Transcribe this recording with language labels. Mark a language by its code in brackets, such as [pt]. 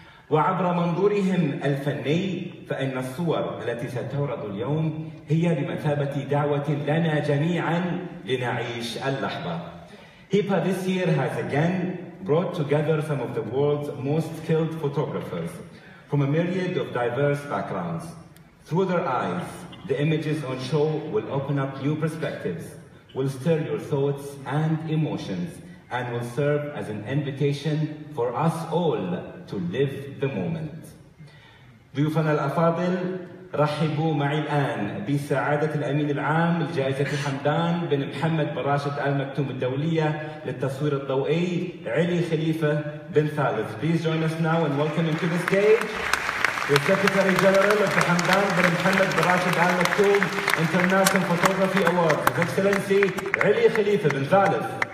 [ar] وعبر منظورهم الفني فإن الصور التي ستعرض اليوم هي بمثابة دعوة لنا جميعا لنعيش اللحظة. [en] HIPA this year has again brought together some of the world's most skilled photographers from a myriad of diverse backgrounds. Through their eyes, the images on show will open up new perspectives, will stir your thoughts and emotions, and will serve as an invitation for us all to live the moment. [ar] ضيوفنا الأفاضل، رحبوا معي الآن بسعادة الأمين العام لجائزة حمدان بن محمد بن راشد آل مكتوم الدولية للتصوير الضوئي علي خليفة بن ثالث. [en] Please join us now and welcome him to the stage, the Secretary General of the Hamdan bin Mohammed bin Rashid Al Maktoum International Photography Award, His Excellency علي خليفة بن ثالث.